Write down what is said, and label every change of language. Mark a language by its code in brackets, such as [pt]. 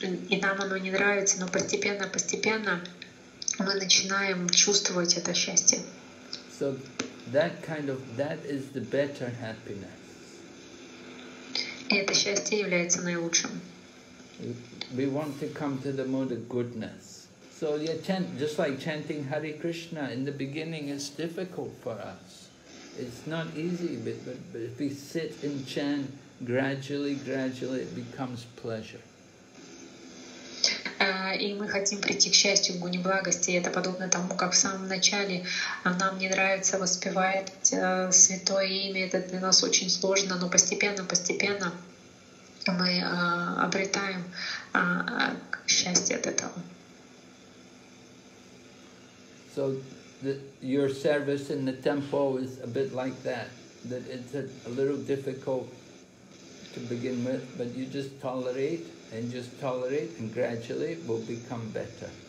[ru] И нам оно не нравится, но постепенно мы начинаем чувствовать это счастье. [en] So that kind of, that is the better happiness. [ru] Это счастье является наилучшим. [en] We want to come to the mode of goodness. So you chant, just like chanting Hare Krishna, in the beginning it's difficult for us. It's not easy, but if we sit and chant, gradually it becomes pleasure. [ru] И мы хотим прийти к счастью, к гуне благости. И это подобно тому, как в самом начале нам не нравится воспевать святое имя. Это для нас очень сложно, но постепенно мы обретаем счастье от этого. [en] So your service in the temple is a bit like that. That it's a little difficult to begin with, but you just tolerate. And just tolerate, and gradually it will become better.